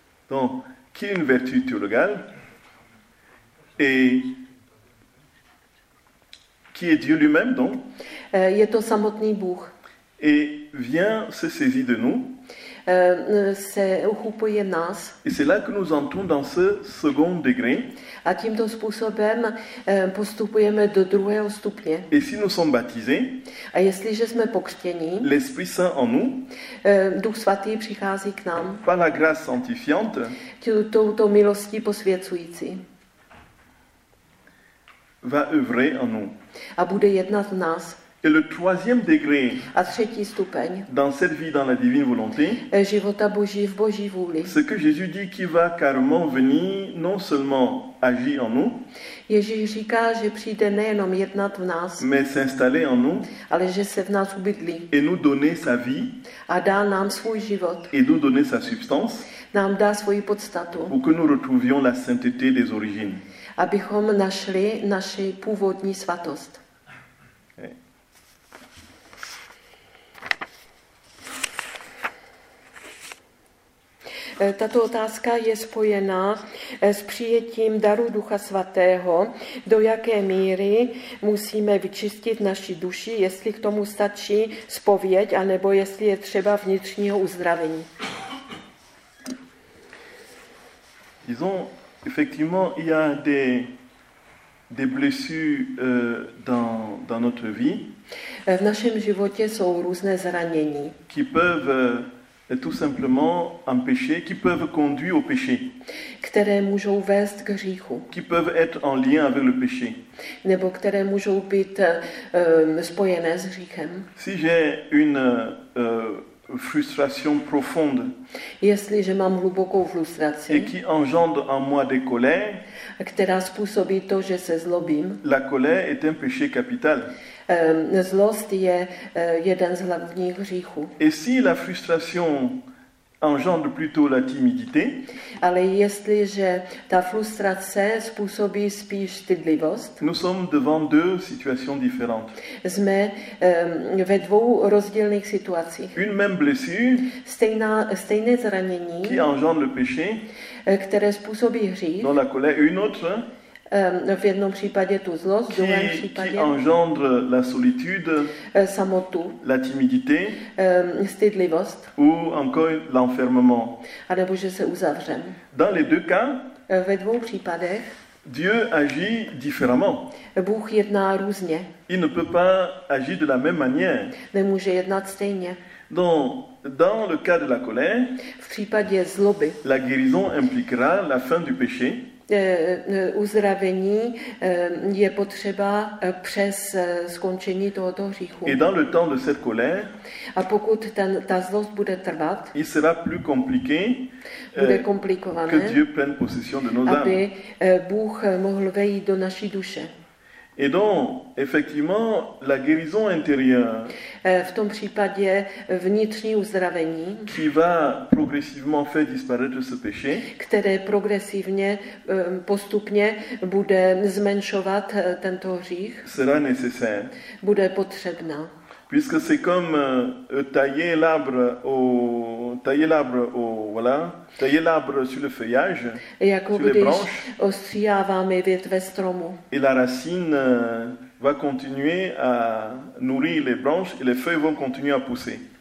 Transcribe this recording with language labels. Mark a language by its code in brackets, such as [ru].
[fr] Donc, qui est une vertu théologale et qui est Dieu lui-même, donc? [cs] Je to samotný Bůh. [fr] Et vient se saisir de nous. [cs] Se uchopuje nás. [fr] Et c'est là que nous entrons dans ce second degré. [cs] A tímto způsobem postupujeme do druhého stupně. [fr] Et si nous sommes baptisés, [cs] a jestliže jsme pokřtění, [fr] l'Esprit Saint en nous, [cs] Duch Svatý přichází k nám, [fr] par la grâce sanctifiante, [cs] touto milostí posvěcující, [fr] va œuvrer en nous. [cs] A bude jednat v nás. [fr] Et le troisième degré. [cs] A třetí stupeň. [fr] Dans cette vie dans la divine volonté. [cs] Života Boží v Boží vůli. [fr] Ce que Jésus dit qui va carrément venir non seulement agir en nous. [cs] Ježíš říká, že přijde nejenom jednat v nás. [fr] Mais s'installer en nous. [cs] Ale že se v nás ubydlí. [fr] Et nous donner sa vie. [cs] A dá nám svůj život. [fr] Et nous donner sa substance. [cs] Nám dá svoji podstatu. [fr] Pour que nous retrouvions la sainteté des origines. [cs] Abychom našli naši původní svatost. Tato otázka je spojená s přijetím daru Ducha Svatého. Do jaké míry musíme vyčistit naši duši, jestli k tomu stačí zpověď, anebo jestli je třeba vnitřního uzdravení? [fr] Disons, effectivement, il y a des blessures dans notre vie. [cs] V našem životě jsou různé zranění. [fr] Qui peuvent tout simplement empêcher, qui peuvent conduire au péché. [cs] Které můžou vést k hříchu. [fr] Qui peuvent être en lien avec le péché. [cs] Nebo které můžou být spojené s hříchem. [fr] Si j'ai une frustration profonde. [cs] Jestliže mám hlubokou frustraci. [fr] Et qui engendre en moi des colères. [cs] Která způsobí to, že se zlobím. [fr] La colère est un péché capital. [cs] Zlost je jeden z hlavních hříchů. [fr] Et si la frustration engendre plutôt la timidité. [cs] Ale jestliže ta frustrace způsobí spíš stydlivost. [fr] Nous sommes devant deux situations différentes. [cs] Jsme ve dvou rozdílných situacích. [fr] Une même blessure. [cs] Stejné zranění. [fr] Qui engendre le péché. [cs] Které způsobí hřích. [fr] Dans la colère, une autre. [cs] V jednom případě tu zlost, v druhém případě [fr] qui engendre la solitude, [cs] samotu, [fr] la timidité, [cs] stydlivost, [fr] ou encore l'enfermement. [cs] Anebo že se uzavřem. [fr] Dans les deux cas, [cs] ve dvou případech, [fr] Dieu agit différemment. [cs] Bůh jedná různě. [fr] Il ne peut pas agir de la même manière. [cs] Nemůže jednat stejně. [fr] Donc, dans le cas de la colère, [cs] v případě zloby, [fr] la guérison impliquera la fin du péché. [cs] Uzdravení je potřeba přes skončení tohoto hříchu. [fr] Et dans le temps de cette colère, [cs] a pokud ta zlost bude trvat, [fr] il sera plus compliqué, [cs] bude komplikované, [fr] que Dieu prenne possession de nos âmes. [cs] Aby Bůh mohl vejít do naší duše. [fr] Et donc, effectivement, la guérison intérieure, [cs] v tom případě vnitřní uzdravení, [fr] qui va progressivement faire disparaître ce péché, [cs] které progresivně postupně bude zmenšovat tento hřích, [fr] sera nécessaire, [cs] bude potřebná. [fr] Puisque c'est comme tailler l'arbre sur le feuillage, [cs] jako [fr] sur les branches, [cs] ostříháváme větve stromu. [fr] Et la racine va continuer à nourrir les branches et les feuilles vont continuer à pousser.